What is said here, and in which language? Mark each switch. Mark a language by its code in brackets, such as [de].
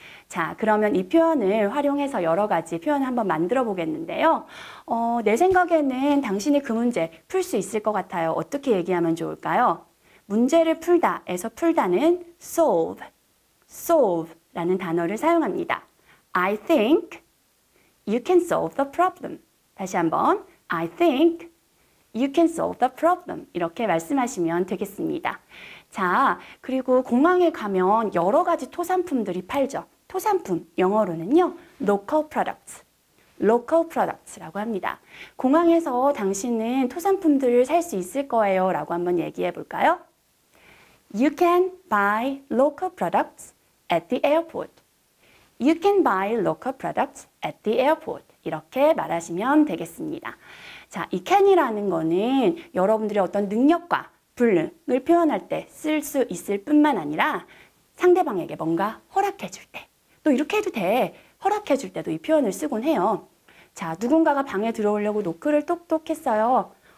[ko] 자, 그러면 이 표현을 활용해서 여러 가지 표현을 한번 만들어 보겠는데요. 내 생각에는 당신이 그 문제 풀 수 있을 것 같아요. 어떻게 얘기하면 좋을까요? 문제를 풀다에서 풀다는 solve라는 단어를 사용합니다. [en] I think you can solve the problem. [ko] 다시 한번, [en] I think you can solve the problem. [ko] 이렇게 말씀하시면 되겠습니다. 자, 그리고 공항에 가면 여러 가지 토산품들이 팔죠. 토산품, 영어로는요, local products. local products라고 합니다. 공항에서 당신은 토산품들을 살 수 있을 거예요. 라고 한번 얘기해 볼까요? [en] You can buy local products at the airport. You can buy local products at the airport. [ko] 이렇게 말하시면 되겠습니다. 자, 이 can이라는 거는 여러분들의 어떤 능력과 불능을 표현할 때 쓸 수 있을 뿐만 아니라 상대방에게 뭔가 허락해 줄 때 또 이렇게 해도 돼. 허락해 줄 때도 이 표현을 쓰곤 해요. 자, 누군가가 방에 들어오려고 노크를 톡톡 했어요.